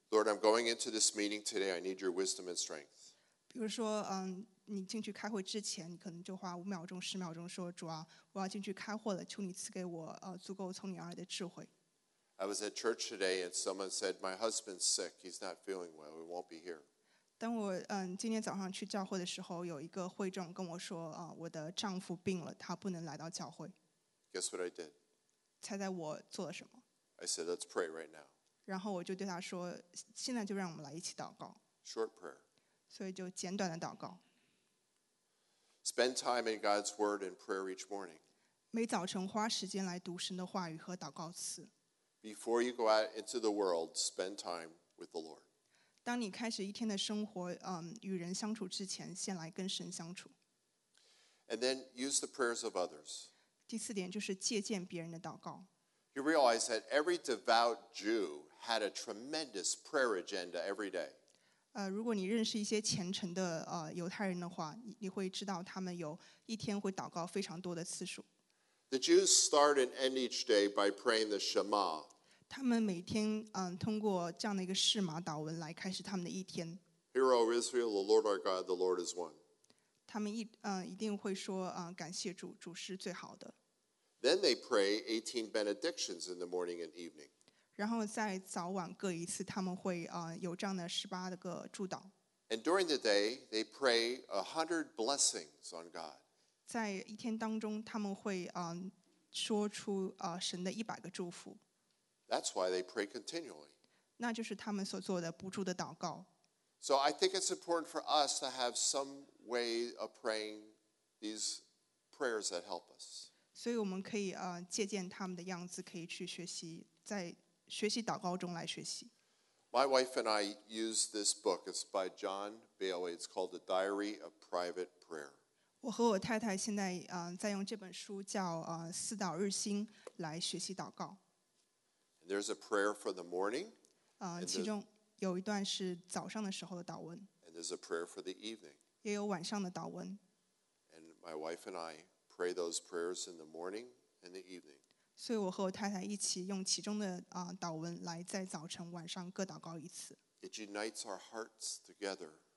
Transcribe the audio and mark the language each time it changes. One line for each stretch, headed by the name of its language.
English: Lord, I'm going into this meeting today. I need your wisdom and strength.
Chinese: 比如说，你进去开会之前，你可能就花5秒钟、10秒钟说，主啊，我要进去开会了，求你赐给我足够从你而来的智慧。
English: I was at church today and someone said, my husband's sick. He's not feeling well. He won't be here.
Chinese: 当我今天早上去教会的时候，有一个会众跟我说我的丈夫病了，他不能来到教会。
English: Guess what I did?
Chinese: 猜猜我做了什么？
English: I said, let's pray right now.
Chinese: 然后我就对他说，现在就让我们来一起祷告。
English: Short prayer.
Chinese: 所以就简短的祷告。
English: Spend time in God's word and prayer each morning.
Chinese: 每早晨花时间来读神的话语和祷告词。
English: Before you go out into the world, spend time with the Lord.
Chinese: 当你开始一天的生活与人相处之前，先来跟神相处。
English: And then use the prayers of others.
Chinese: 第四点就是借鉴别人的祷告。
English: You realize that every devout Jew had a tremendous prayer agenda every day.
Chinese: 如果你认识一些虔诚的犹太人的话，你会知道他们有一天会祷告非常多的次数。
English: The Jews start and end each day by praying the Shema.
Chinese: 他们每天通过这样的一个示马祷文来开始他们的一天。
English: Hear, O Israel, the Lord our God, the Lord is one.
Chinese: 他们一定会说感谢主，主是最好的。
English: Then they pray 18 benedictions in the morning and evening.
Chinese: 然后在早晚各一次，他们会有这样的18个祝祷。
English: And during the day, they pray 100 blessings on God.
Chinese: 在一天当中，他们会说出神的100个祝福。
English: That's why they pray continually.
Chinese: 那就是他们所做的不住的祷告。
English: So I think it's important for us to have some way of praying these prayers that help us.
Chinese: 所以我们可以借鉴他们的样子，可以去学习，在学习祷告中来学习。
English: My wife and I use this book. It's by John Bailey. It's called The Diary of Private Prayer.
Chinese: 我和我太太现在在用这本书叫四祷日心来学习祷告。
English: There's a prayer for the morning.
Chinese: 其中有一段是早上的时候的祷文。
English: And there's a prayer for the evening.
Chinese: 也有晚上的祷文。
English: And my wife and I pray those prayers in the morning and the evening.
Chinese: 所以我和我太太一起用其中的祷文来在早晨、晚上各祷告一次。
English: It unites our hearts together.